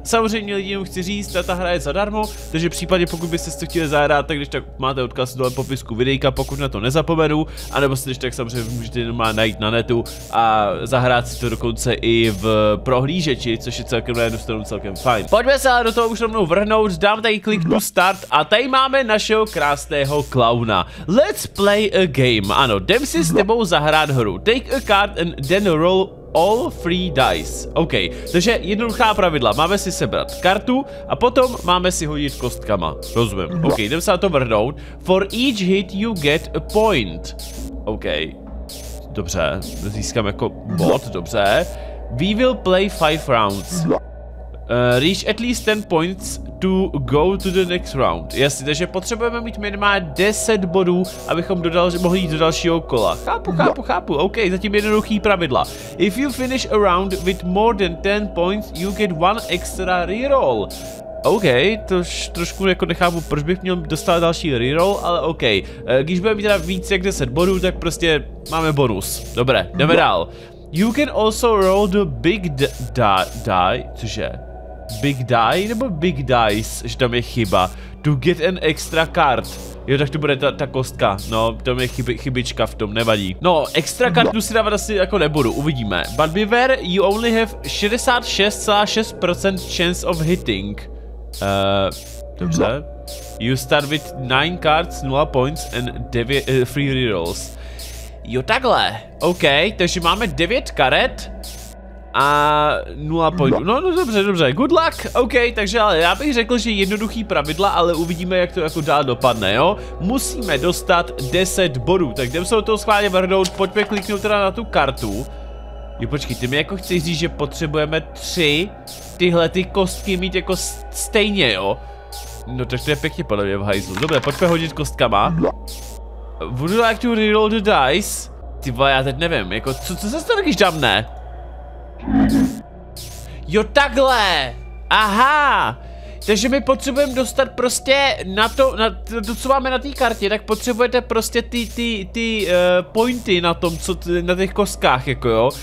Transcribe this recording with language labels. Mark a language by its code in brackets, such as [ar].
[cs] Samozřejmě lidi jenom chci říct, ta hra je zadarmo, takže případně pokud byste si to chtěli zahrát, tak když tak máte odkaz dole v popisku videjka, pokud na to nezapomenu, anebo si když tak samozřejmě můžete jenom najít na netu a zahrát si to dokonce i v prohlížeči, což je celkem na jednu stranu celkem fajn. Pojďme se ale do toho už rovnou vrhnout, dám tady kliknu start a tady máme našeho krásného klauna. [en] Let's play a game. [cs] Ano, jdem si s tebou zahrát hru. [en] Take a card and then roll all three dice. [cs] OK, takže jednoduchá pravidla. Máme si sebrat kartu a potom máme si hodit kostkama. Rozumím. OK, jdeme se na to vrhnout. [en] For each hit you get a point. OK. [cs] Dobře, získám jako bod, dobře. [en] We will play 5 rounds. Reach at least 10 points to go to the next round. [cs] Jasně, takže potřebujeme mít minimálně 10 bodů, abychom mohli jít do dalšího kola. Chápu. OK, zatím jednoduchý pravidla. [en] If you finish a round with more than 10 points, you get one extra reroll. [cs] OK, to trošku jako nechápu, proč bych měl dostat další reroll, ale OK. Když budeme mít teda víc jak 10 bodů, tak prostě máme bonus. Dobré, jdeme dál. [en] You can also roll the big die, cože? Big die nebo big dice, [cs] že tam je chyba. [en] To get an extra card. [cs] Jo, tak to bude ta kostka. No, tam je chybička v tom, nevadí. No, extra kartu si dávat asi jako nebudu, uvidíme. [en] But beware, you only have 66,6% chance of hitting. [cs] Dobře. [en] You start with 9 cards, 0 points and 3 rerolls. [cs] Jo, takhle. OK, takže máme 9 karet. A 0 pointů. No, dobře, [en] good luck. [cs] OK, takže ale já bych řekl, že jednoduchý pravidla, ale uvidíme, jak to jako dál dopadne, jo? Musíme dostat 10 bodů, tak jdem se do toho schválně vrhnout, pojďme kliknout teda na tu kartu. Jo, počkej, ty mi jako chci říct, že potřebujeme 3 tyhle ty kostky mít jako stejně, jo? No, tak to je pěkně podle mě v hajzlu. Dobře, pojďme hodit kostkama. [en] Would you like to reroll the dice? [cs] Ty vole, já teď nevím, jako co se stane, když dám ne? Jo, takhle! Aha! Takže my potřebujeme dostat prostě na to, co máme na té kartě, tak potřebujete prostě pointy na tom, co na těch kostkách, jako jo.